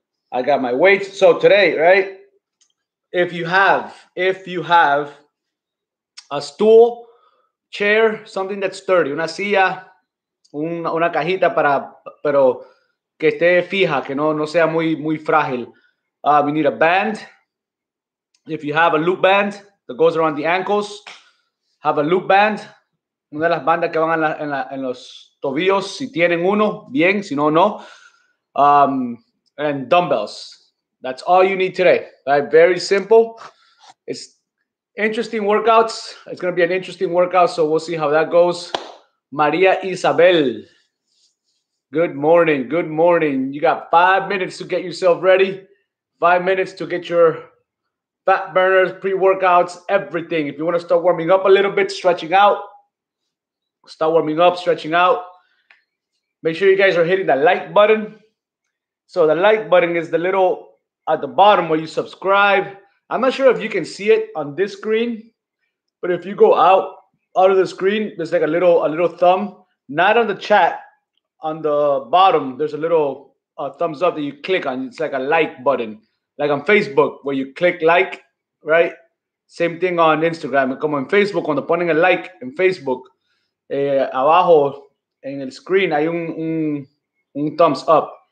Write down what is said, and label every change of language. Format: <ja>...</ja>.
<en>I got my weights. So today, right, if you have a stool, chair, something that's sturdy,</en> <es>una silla, una cajita para, pero que esté fija, que no sea muy, muy frágil.</es> <en>We need a band. If you have a loop band that goes around the ankles, have a loop band.</en> <es>Una de las bandas que van en los tobillos. Si tienen uno, bien. Si no, no.</es> <en>And dumbbells. That's all you need today. Right? Very simple. It's interesting workouts. It's going to be an interesting workout, so we'll see how that goes. Maria Isabel. Good morning. Good morning. You got 5 minutes to get yourself ready. 5 minutes to get your fat burners, pre-workouts, everything. If you want to start warming up a little bit, stretching out, start warming up, stretching out. Make sure you guys are hitting the like button. So the like button is the little at the bottom where you subscribe. I'm not sure if you can see it on this screen, but if you go out of the screen, there's like a little thumb. Not on the chat, on the bottom, there's a little thumbs up that you click on. It's like a like button. Like on Facebook, where you click like, right? Same thing on Instagram.</en> <es>Como en Facebook, cuando ponen el like en Facebook, abajo en el screen hay un thumbs up.</es>